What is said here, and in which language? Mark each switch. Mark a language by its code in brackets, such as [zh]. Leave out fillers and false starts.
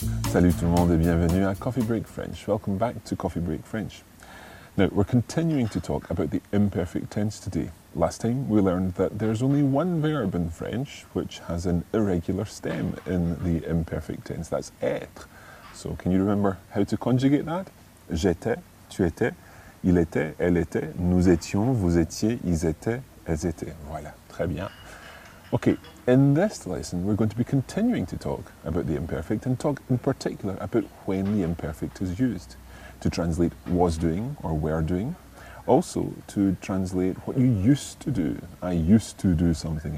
[fr] Salut tout le monde et bienvenue à Coffee Break French. [en] Welcome back to Coffee Break French. Now, we're continuing to talk about the imperfect tense today. Last time, we learned that there's only one verb in French which has an irregular stem in the imperfect tense. That's être. So, can you remember how to conjugate that? [fr] J'étais, tu étais, il était, elle était, nous étions, vous étiez, ils étaient, elles étaient. Voilà, très bien. [en] Okay, in this lesson, we're going to be continuing to talk about the imperfect and talk in particular about when the imperfect is used to translate was doing or were doing. Also, to translate what you used to do. I used to do something.